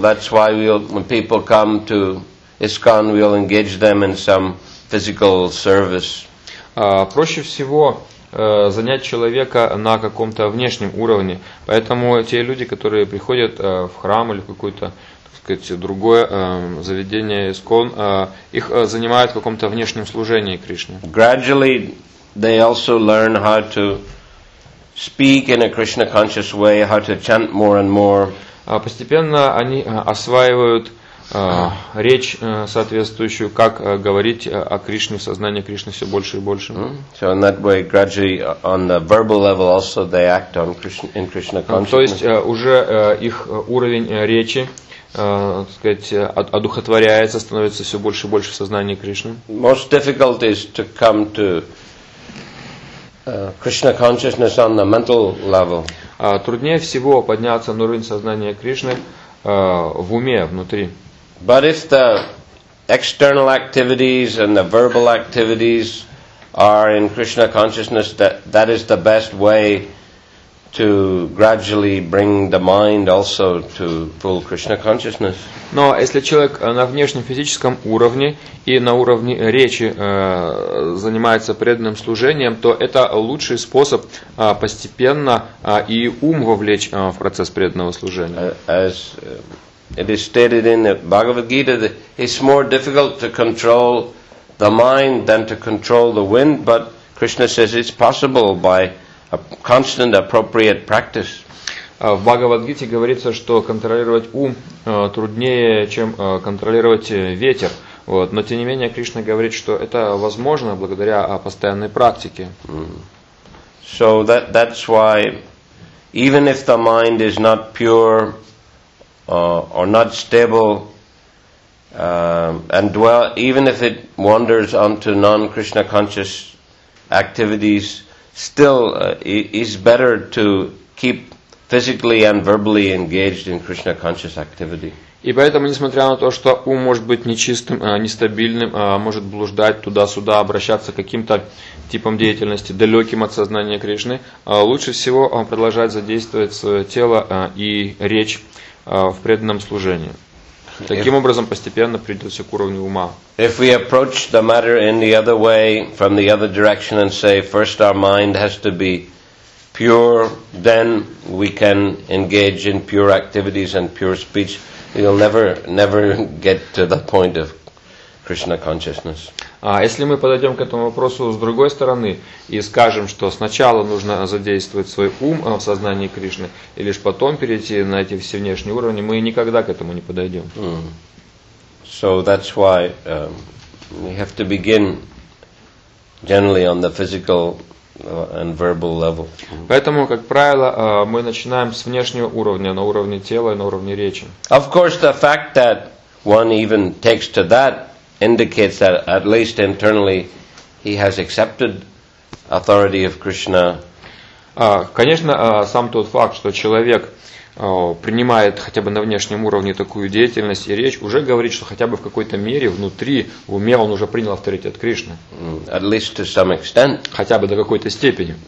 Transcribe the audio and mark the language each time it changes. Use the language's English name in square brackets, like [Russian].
[English] That's why when people come to ISKCON, we'll engage them in some physical service. [Russian] Проще всего занять человека на каком-то внешнем уровне. Поэтому те люди, которые приходят в храм или в какое-то, так сказать, другое заведение ИСКОН, их занимают в каком-то внешнем служении Кришне. [English] Gradually they also learn how to speak in a Krishna conscious way, how to chant more and more. [Russian] Постепенно они осваивают речь соответствующую, как говорить о Кришне, сознание Кришны все больше и больше. [English] So in that way, gradually on the verbal level also they act on Krishna, in Krishna consciousness. [Russian] То есть уже их уровень речи, так сказать, одухотворяется, становится все больше и больше в сознании Кришны. [English] Most difficult is to come to Krishna consciousness on the mental level. [Russian] Труднее всего подняться на уровень сознания Кришны в уме, внутри. [English] But if the external activities and the verbal activities are in Krishna consciousness, that is the best way to gradually bring the mind also to full Krishna consciousness. [Russian] Но если человек на внешнем физическом уровне и на уровне речи занимается преданным служением, то это лучший способ постепенно и ум вовлечь в процесс преданного служения. [English] It is stated in the Bhagavad Gita that it's more difficult to control the mind than to control the wind, but Krishna says it's possible by a constant appropriate practice. [Russian] В Бхагавадгите говорится, что контролировать ум труднее, чем контролировать ветер. Вот. Но тем не менее Кришна говорит, что это возможно благодаря постоянной практике. [English] So that's why even if the mind is not pure or not stable, and dwell, even if it wanders onto non-Krishna conscious activities, still is better to keep physically and verbally engaged in Krishna conscious activity. [Russian] И поэтому, несмотря на то, что ум может быть нечистым, нестабильным, может блуждать туда-сюда, обращаться к каким-то типам деятельности, далеким от сознания Кришны, лучше всего продолжать задействовать свое тело и речь в преданном служении. Таким образом, постепенно придется к уровню ума. [English] If we approach the matter in the other way, from the other direction, and say, first our mind has to be pure, then we can engage in pure activities and pure speech, you'll never get to the point of Krishna consciousness. [Russian] Если мы подойдем к этому вопросу с другой стороны и скажем, что сначала нужно задействовать свой ум в сознании Кришны, и лишь потом перейти на эти все внешние уровни, мы никогда к этому не подойдем. [English] So that's why we have to begin generally on the physical and verbal level. [Russian] Поэтому, как правило, мы начинаем с внешнего уровня, на уровне тела и на уровне речи. [English] Of course, the fact that one even takes to that indicates that at least internally he has accepted authority of Krishna. [Russian] Конечно, сам тот факт, что человек принимает хотя бы на внешнем уровне такую деятельность и речь, уже говорит, что хотя бы в какой-то мере внутри, в уме, он уже принял авторитет Кришны. [English] At least to some extent. [Russian] Хотя бы до какой-то степени.